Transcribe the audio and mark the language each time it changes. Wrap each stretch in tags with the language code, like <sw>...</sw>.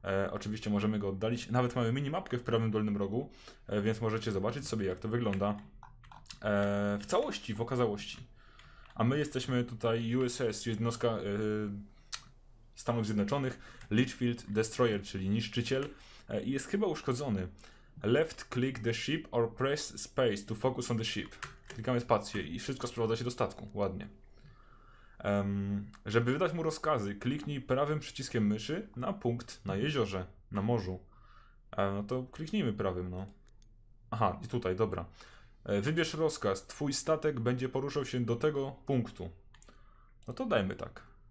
<pl>Oczywiście możemy go oddalić. Nawet mamy minimapkę w prawym dolnym rogu, więc możecie zobaczyć sobie, jak to wygląda. W całości, w okazałości. A my jesteśmy tutaj USS, jednostka Stanów Zjednoczonych, Litchfield Destroyer, czyli niszczyciel. I jest chyba uszkodzony.</pl> <en>Left click the ship or press space to focus on the ship.</en> <pl>Klikamy spację i wszystko sprowadza się do statku. Ładnie. Żeby wydać mu rozkazy, kliknij prawym przyciskiem myszy na punkt na jeziorze, na morzu. No to kliknijmy prawym, no. Aha, i tutaj, dobra. Wybierz rozkaz, twój statek będzie poruszał się do tego punktu. No to dajmy tak.</pl>